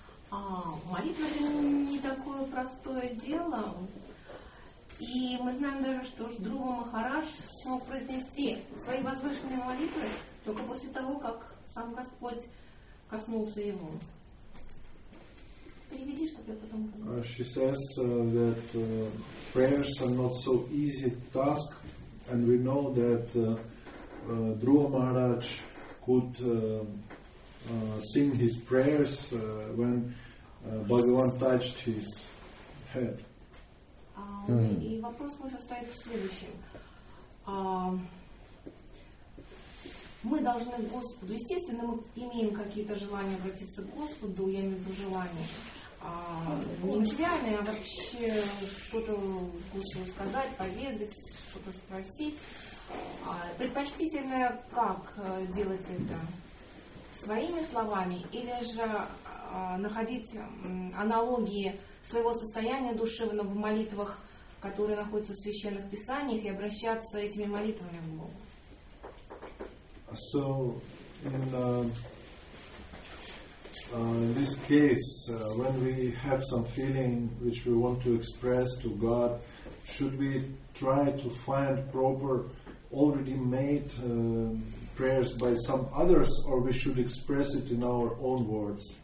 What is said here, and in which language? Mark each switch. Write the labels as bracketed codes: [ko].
[ru] А молитва это не такое простое дело. И мы знаем даже, что Друва Махарадж смог произнести свои возвышенные молитвы только после того, как сам Господь коснулся его. Переведи, чтобы я потом понял. [en] She says that prayers are not so easy task, and we know that Dhruva Maharaj could sing his prayers when Bhagavan touched his head. [ru] И вопрос мой состоит в следующем. Мы должны к Господу, естественно, мы имеем какие-то желания обратиться к Господу, я имею в виду желания, не материальные, а вообще что-то Господу сказать, поведать, что-то спросить. Предпочтительно как делать это? Своими словами или же находить аналогии своего состояния душевного в молитвах, которые находятся в священных писаниях, и обращаться этими молитвами к Богу? [en] So in this case, when we have some feeling which we want to express to God, should we try to find proper already made prayers by some others, or we should express it in our own words?